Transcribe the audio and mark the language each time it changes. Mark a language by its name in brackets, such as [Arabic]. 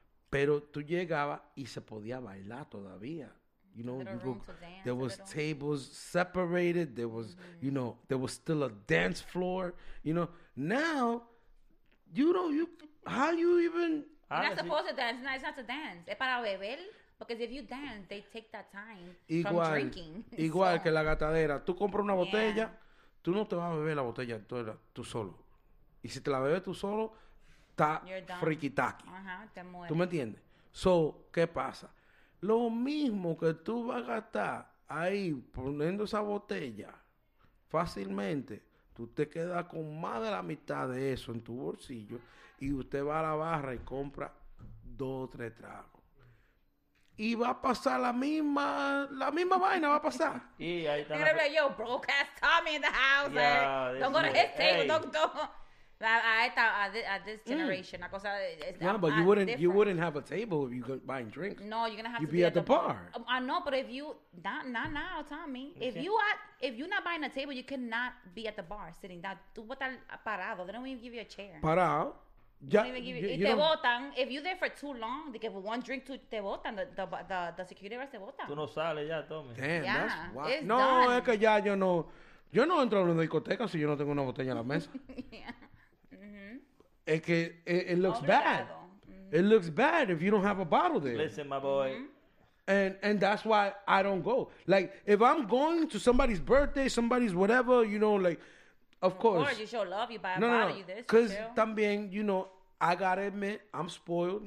[Spanish] Pero tú llegabas y se podía bailar todavía. [English] You know, you go, dance, there was tables separated. There was, you know, there was still a dance floor. You know, now, you know, how you even? You're not supposed to dance. No, it's not to dance. [Spanish] Es para beber. [English] Because if you dance, they take that time [Spanish] igual, [English] from drinking. [Spanish] Igual so. Que la gatadera. Tú compras una botella, tú no te vas a beber la botella tú solo. Y si te la bebes tú solo, está friquitaki. Te mueres. ¿Tú me entiendes? So, ¿qué pasa? Lo mismo que tú vas a gastar ahí poniendo esa botella fácilmente, tú te quedas con más de la mitad de eso en tu bolsillo y usted va a la barra y compra 2 o 3 tragos. Y va a pasar la misma vaina, va a pasar. Y ahí está. [English] Yo, broke ass Tommy in the house. Yeah, don't go to his table, don't. At this generation, but you wouldn't have a table if you go buying drinks. No, you're gonna have you'd to be at the bar. I know, but if you not now, Tommy. Okay. If you're not buying a table, you cannot be at the bar sitting down. [Spanish] Tú vas a estar parado. [English] They don't even give you a chair. [Spanish] Parado. Yeah. Y te botan. [English] If you're there for too long, they give one drink to [Spanish] te botan. [English] The security guards [Spanish] te botan. Tú no sales ya, Tommy. [English] Damn, yeah, that's wild. It's no, done. [Spanish] Es que ya yo no entro a una discoteca si yo no tengo una botella en la mesa. [English] Yeah. [Spanish] Es que [English] it looks bad. Mm-hmm. It looks bad if you don't have a bottle there. Listen, my boy. And that's why I don't go. Like, if I'm going to somebody's birthday, somebody's whatever, you know, like, of course. Or you show love, you buy a bottle, you this. Because también, you know, I got to admit, I'm spoiled.